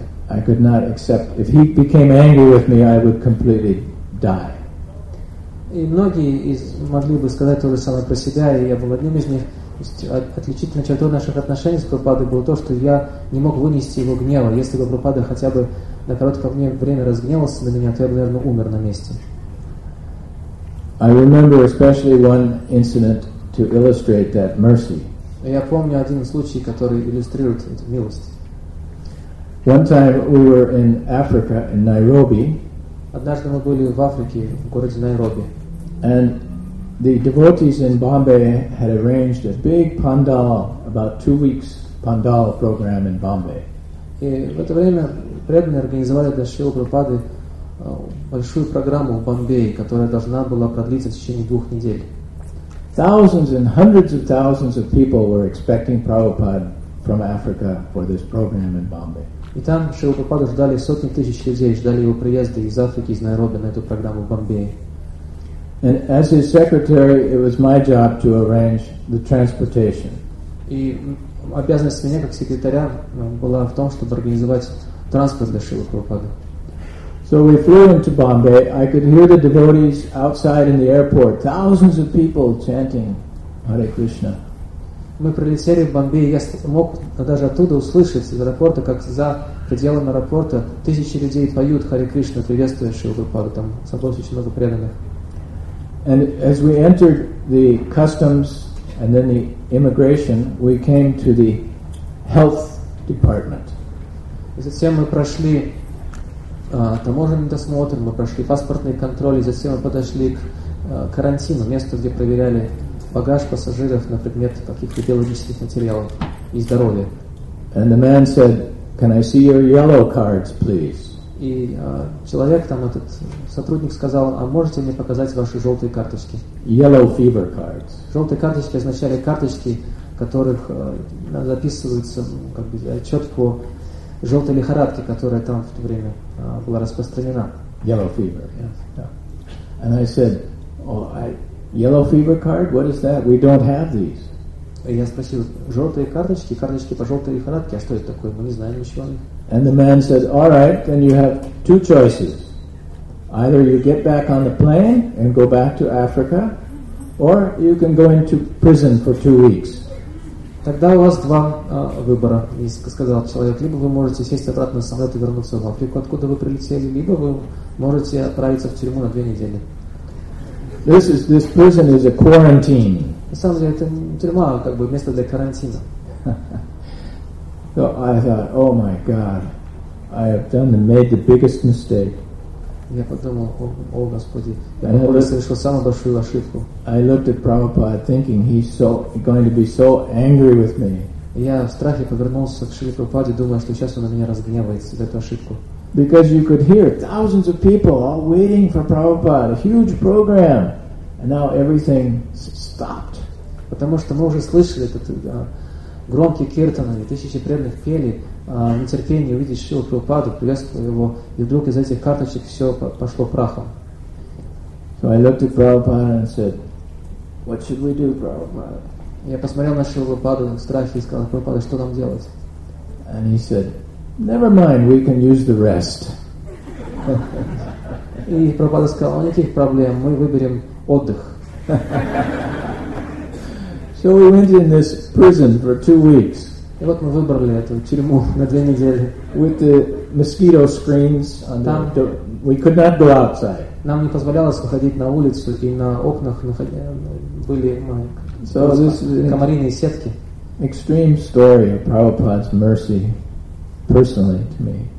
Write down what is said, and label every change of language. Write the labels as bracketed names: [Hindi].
[English] I could not accept. If he became angry with me, I would completely die. [Russian] И многие из могли бы сказать то же самое про себя, и я был одним из них. Отличительной чертой наших отношений с Прабхупадой было то, что я не мог вынести его гнева. Если бы Прабхупада хотя бы на короткое время разгневался на меня, то я бы, наверное, умер на месте. [English] I remember especially one incident to illustrate that mercy. [Russian] Я помню один случай, который иллюстрирует эту милость. [English] One time we were in Africa, in Nairobi. [Russian] Однажды мы были в Африке, в городе Найроби. [English] And the devotees in Bombay had arranged a big pandal, about 2 weeks pandal program in Bombay. [Russian] И в это время преданные организовали для Шрилы Прабхупады большую программу в Бомбее, которая должна была продлиться в течение 2 недель. [English] Thousands and hundreds of thousands of people were expecting Prabhupada from Africa for this program in Bombay. [Russian] И там Шрила Прабхупада ждали сотни тысяч людей, ждали его приезда из Африки, из Найроби на эту программу в Бомбее. [English] And as his secretary, it was my job to arrange the transportation. [Russian] И обязанность меня как секретаря была в том, чтобы организовать транспорт для Шрилы Прабхупады. [English] So we flew into Bombay. I could hear the devotees outside in the airport, thousands of people chanting Hare Krishna. [Russian] Мы прилетели в Бомбей, я мог даже оттуда услышать из аэропорта, как за пределами аэропорта тысячи людей поют Харе Кришна, приветствуя Шрилу Прабхупаду, там собралось очень много преданных. [English] And as we entered the customs and then the immigration, we came to the health department. [Russian] И затем мы прошли таможенный досмотр, мы прошли паспортный контроль, и затем мы подошли к карантину, место, где проверяли багаж пассажиров на предмет каких-то биологических материалов и здоровья. [English] And the man said, "Can I see your yellow cards, please?" [Russian] И человек там, этот сотрудник сказал, "А можете мне показать ваши желтые карточки?" [English] Yellow fever cards. [Russian] Желтые карточки означали карточки, в которых записывается как бы отчет по желтой лихорадке, которая там в то время была распространена. [English] Yellow fever. Yes. And I said, "Oh, yellow fever card? What is that? We don't have these." [Russian] Я спросил, желтые карточки, карточки по желтой лихорадке, а что это такое? Мы не знаем ничего о них. [English] And the man said, "All right, then you have two choices. Either you get back on the plane and go back to Africa, or you can go into prison for 2 weeks." [Russian] Тогда у вас два выбора, сказал человек. Либо вы можете сесть обратно на самолет и вернуться в Африку, откуда вы прилетели, либо вы можете отправиться в тюрьму на 2 недели. [English] This prison is a quarantine. [Russian] На самом деле, это тюрьма, как бы место для карантина. [English] So I thought, "Oh my God, I have done and made the biggest mistake." [Russian] Я подумал, о Господи, я совершил самую большую ошибку. [English] I looked at Prabhupada, thinking he's so going to be so angry with me. [Russian] Я в страхе повернулся к Шри Прабхупаде, думая, что сейчас он на меня разгневается за эту ошибку. [English] Because you could hear thousands of people all waiting for Prabhupada, a huge program, and now everything stopped. [Russian] Потому что мы уже слышали этот громкий киртан, и тысячи преданных пели в нетерпении увидеть Шрилу Прабхупаду, приветствовал его, и вдруг из этих карточек все пошло прахом. [English] So I looked at Prabhupada and said, "What should we do, Prabhupada?" [Russian] Я посмотрел на Шрилу Прабхупаду в страхе и сказал, "Прабхупада, что нам делать?" [English] And he said, "Never mind, we can use the rest." [Russian] И Прабхупада сказал, "Никаких проблем, мы выберем отдых." [English] So we went in this prison for 2 weeks. [Russian] И вот мы выбрали эту тюрьму на 2 недели. [English] With the mosquito screens on the door. We could not go outside. [Russian] Нам не позволялось выходить на улицу, и на окнах были комариные сетки. [English] Extreme story of Prabhupada's mercy personally to me.